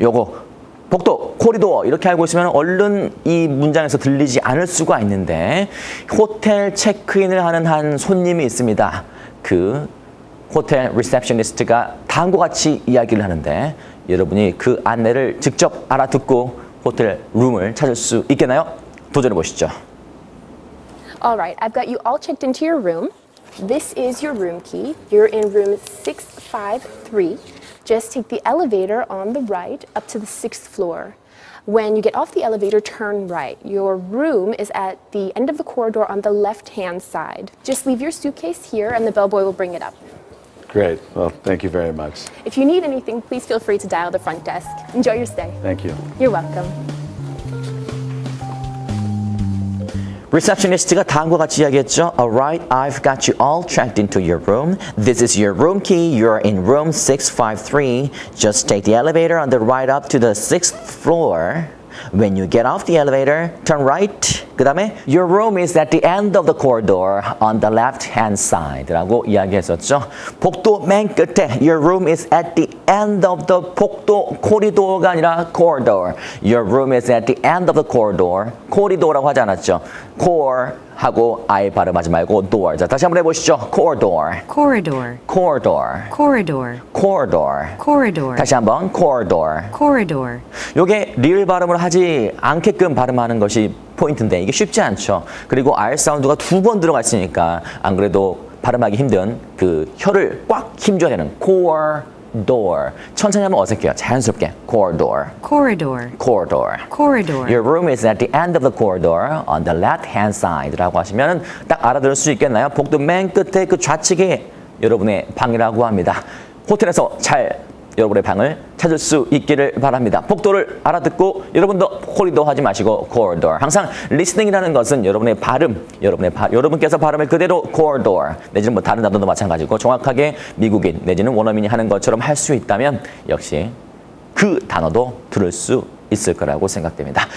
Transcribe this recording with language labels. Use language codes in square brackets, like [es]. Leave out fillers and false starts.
[ko] 요거 복도 Corridor 이렇게 알고 있으면 얼른 이 문장에서 들리지 않을 수가 있는데 호텔 체크인을 하는 한 손님이 있습니다. 그 호텔 리셉션리스트가 다음과 같이 이야기를 하는데 여러분이 그 안내를 직접 알아듣고 호텔 룸을 찾을 수 있겠나요? 도전해 보시죠. [en] All right, I've got you all checked into your room. This is your room key. You're in room 653. Just take the elevator on the right up to the 6th floor. When you get off the elevator, turn right. Your room is at the end of the corridor on the left-hand side. Just leave your suitcase here and the bellboy will bring it up. Great. Well, thank you very much. If you need anything, please feel free to dial the front desk. Enjoy your stay. Thank you. You're welcome. [ko] 리셉션리스트가 다음과 같이 이야기했죠. [en] Alright, I've got you all checked into your room. This is your room key. You're in room 653. Just take the elevator on the right up to the 6th floor. When you get off the elevator, turn right. [ko] 그 다음에 [en] Your room is at the end of the corridor on the left-hand side. [ko] 라고 이야기했었죠. 복도 맨 끝에 [en] Your room is at the end of the [ko] 복도 코리도어가 아니라 [en] corridor. Your room is at the end of the corridor. [ko] 코리도어라고 하지 않았죠. Core 하고 I 발음하지 말고 door. 자, 다시 한번 해보시죠. Corridor. [en] Corridor. Corridor. Corridor. Corridor. Corridor. [ko] 다시 한번 corridor. [en] Corridor. [ko] 이게 리을 발음을 하지 않게끔 발음하는 것이 포인트인데 이게 쉽지 않죠. 그리고 R 사운드가 두 번 들어가 있으니까 안 그래도 발음하기 힘든 그 혀를 꽉 힘줘야 되는 core. Door. 천천히 하면 어색해요. 자연스럽게. Corridor. [en] Corridor. Corridor. Corridor. Your room is at the end of the corridor on the left-hand side라고 [ko] 하시면 딱 알아들을 수 있겠나요? 복도 맨 끝에 그 좌측에 여러분의 방이라고 합니다. 호텔에서 잘 여러분의 방을 찾을 수 있기를 바랍니다. 복도를 알아듣고 여러분도 코리도 하지 마시고 corridor. 항상 listening이라는 것은 여러분의 발음, 여러분께서 발음을 그대로 corridor 내지는 뭐 다른 단어도 마찬가지고 정확하게 미국인 내지는 원어민이 하는 것처럼 할 수 있다면 역시 그 단어도 들을 수 있을 거라고 생각됩니다.